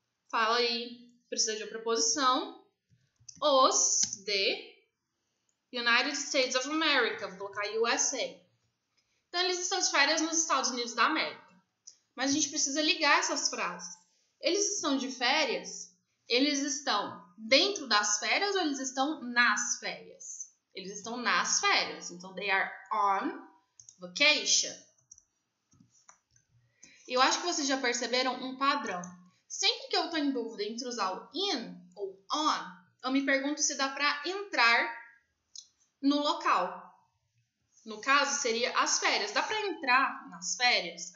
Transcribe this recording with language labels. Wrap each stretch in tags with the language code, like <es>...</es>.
<pt>Fala aí, precisa de uma preposição. Os de United States of America. Vou colocar USA. Então, eles estão de férias nos Estados Unidos da América. Mas a gente precisa ligar essas frases. Eles estão de férias? Eles estão dentro das férias ou eles estão nas férias? Eles estão nas férias.</pt> <en>Então, they are on vacation.</en> <pt>Eu acho que vocês já perceberam um padrão. Sempre que eu estou em dúvida entre usar o in ou on, eu me pergunto se dá para entrar no local. No caso, seria as férias. Dá para entrar nas férias?</pt>